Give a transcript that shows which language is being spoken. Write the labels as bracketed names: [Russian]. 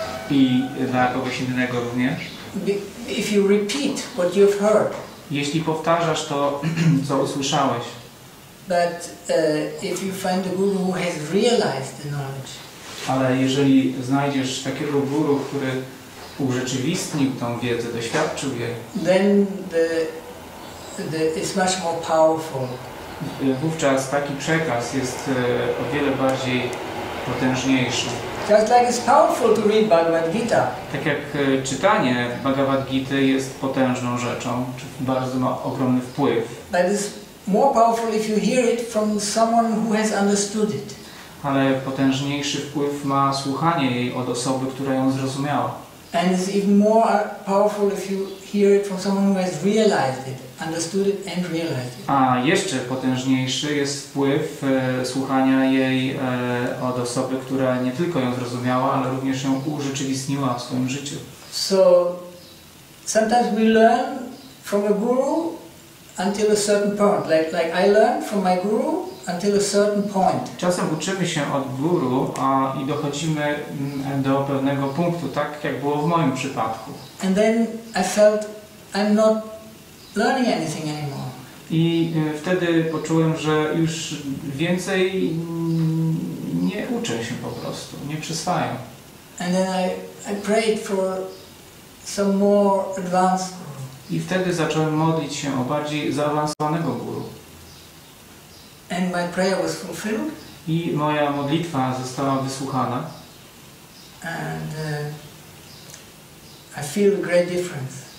[Polish] I dla kogoś innego również. [English] If you repeat what you've heard. [Polish] Jeśli powtarzasz to, co usłyszałeś. [English] But if you find a guru who has realized the knowledge. [Polish] Ale jeżeli znajdziesz takiego guru, który urzeczywistnił tą wiedzę, doświadczył jej. [English] Then the is much more powerful. [Polish] Wówczas taki przekaz jest o wiele bardziej potężniejszy. [English] Just like it's powerful to read Bhagavad Gita. [Polish] Tak jak czytanie Bhagavad Gita jest potężną rzeczą, czy bardzo ma ogromny wpływ. [English] But it's more powerful if you hear it from someone who has understood it. [Polish] Ale potężniejszy wpływ ma słuchanie jej od osoby, która ją zrozumiała. [English] And it's even more powerful if you hear it from someone who has realized it, understood it and realized it. [Polish] A jeszcze potężniejszy jest wpływ słuchania jej od osoby, która nie tylko ją zrozumiała, ale również ją urzeczywistniła w swoim życiu. [English] So sometimes we learn from a guru until a certain point. Like I learned from my guru until a certain point. [Polish] Czasem uczymy się od guru i dochodzimy do pewnego punktu, tak jak było w moim przypadku. [English] And then I felt I'm not learning anything anymore. [Polish] I wtedy poczułem, że już więcej nie uczę się po prostu, nie przyswajam. [English] And then I prayed for some more advanced guru. [Polish] I wtedy zacząłem modlić się o bardziej zaawansowanego guru. [English] And my prayer was fulfilled. [Polish] I moja modlitwa została wysłuchana. [English] And I feel a great difference.